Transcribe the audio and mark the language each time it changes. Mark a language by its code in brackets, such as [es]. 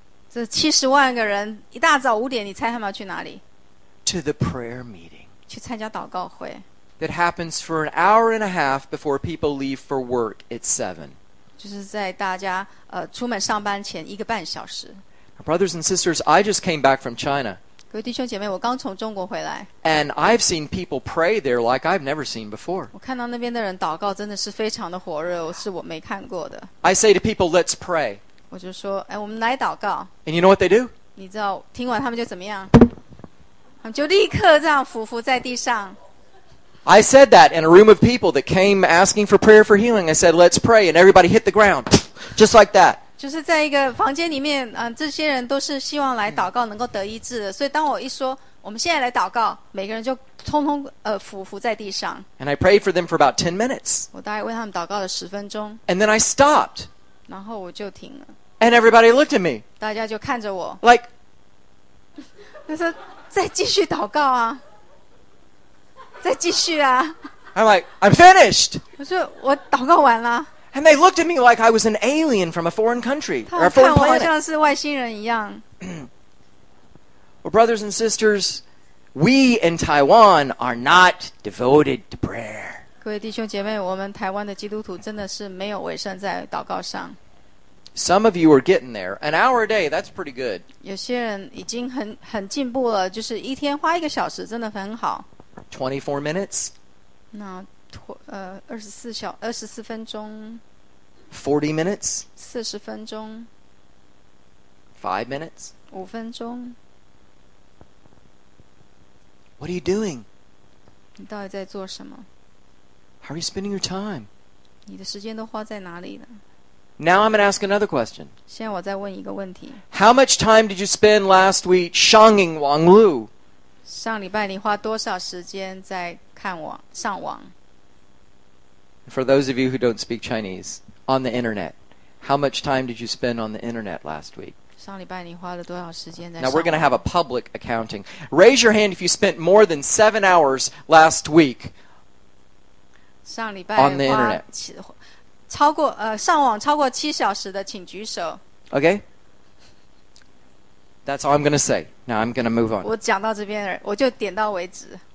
[zh] 这70万个人，一大早五点，你猜他们要去哪里？ [en] To the prayer meeting. [zh] 去参加祷告会。 [en] That happens for an hour and a half before people leave for work at 7. [zh] 就是在大家出门上班前一个半小时。 [en] Brothers and sisters, I just came back from China. [zh] 各位弟兄姐妹，我刚从中国回来。 [en] And I've seen people pray there like I've never seen before. [zh] 我看到那边的人祷告真的是非常的火热，是我没看过的。 [en] I say to people, let's pray. [zh] 我我就说，哎，我们来祷告。 [en] And you know what they do? [zh] 你知道，听完他们就怎么样？他们就立刻这样伏伏在地上。 [en] I said that in a room of people that came asking for prayer for healing. I said, let's pray. And everybody hit the ground, just like that. [zh] 就是在一个房间里面，这些人都是希望来祷告能够得医治的。所以当我一说，我们现在来祷告，每个人就通通伏伏在地上。 [en] And I prayed for them for about 10 minutes. [zh] 我大概为他们祷告了十分钟。 [en] And then I stopped. [zh] 然后我就停了。 [en] And everybody looked at me. [zh] 大家就看着我。 [en] Like, [zh] 他说，再继续祷告啊。再继续啊。 [en] I'm like, I'm finished. [zh] 我说我祷告完了。 [en] And they looked at me like I was an alien from a foreign country, or a foreign planet. [zh] 他们看我好像是外星人一样。 [en] Well, brothers and sisters, we in Taiwan are not devoted to prayer. [zh] 各位弟兄姐妹，我们台湾的基督徒真的是没有委身在祷告上。 [en] Some of you are getting there. An hour a day, that's pretty good. [zh] 有些人已经很进步了，就是一天花一个小时真的很好。 [en] 24 minutes. [zh] 那24分钟。 [en] 40 minutes. [zh] 40分钟。 [en] 5 minutes. [zh] 5分钟。 [en] What are you doing? [zh] 你到底在做什么？ [en] How are you spending your time? [zh] 你的时间都花在哪里呢？ [en] Now I'm going to ask another question. [zh] 现在我再问一个问题。 [en] How much time did you spend last week shanging Wang Lu? [zh] 上礼拜你花多少时间在看网上网 [en] ？For those of you who don't speak Chinese, on the internet, how much time did you spend on the internet last week? [zh] 上礼拜你花了多少时间在上网 [en] ？Now we're going to have a public accounting. Raise your hand if you spent more than 7 hours last week. [zh] 上礼拜 [en] on the internet [zh] 超过上网超过七小时的请举手。 [en] Okay. That's all I'm going to say. Now I'm going to move on. [zh] 我讲到这边，我就点到为止。